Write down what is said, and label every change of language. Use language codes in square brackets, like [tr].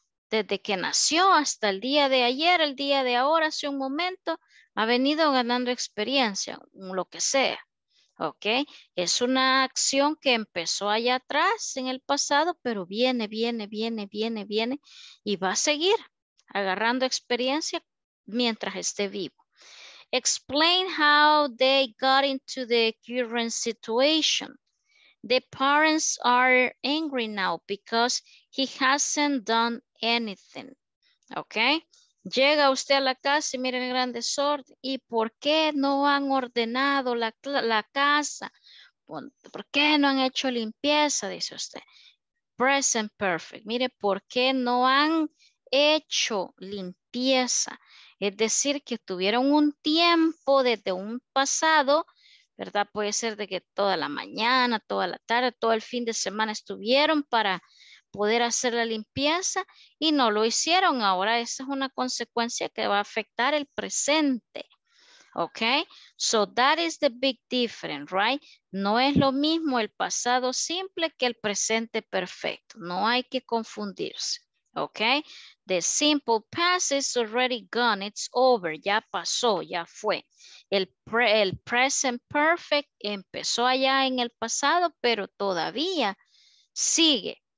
[es] Desde que nació hasta el día de ayer, el día de ahora, hace un momento, ha venido ganando experiencia, lo que sea, ¿ok? Es una acción que empezó allá atrás, en el pasado, pero viene y va a seguir agarrando experiencia mientras esté vivo. [en] Explain how they got into the current situation. The parents are angry now because he hasn't done anything, ¿ok? [es] Llega usted a la casa y mire el gran desorden. ¿Y por qué no han ordenado la casa? ¿Por qué no han hecho limpieza? Dice usted. Present perfect. Mire, ¿por qué no han hecho limpieza? Es decir, que tuvieron un tiempo desde un pasado, ¿verdad? Puede ser de que toda la mañana, toda la tarde, todo el fin de semana estuvieron para poder hacer la limpieza y no lo hicieron. Ahora esa es una consecuencia que va a afectar el presente. [en] Ok, so that is the big difference, right? [es] No es lo mismo el pasado simple que el presente perfecto. No hay que confundirse. [en] Okay, the simple past is already gone. It's over. [es] Ya pasó, ya fue. El present perfect empezó allá en el pasado, pero todavía sigue.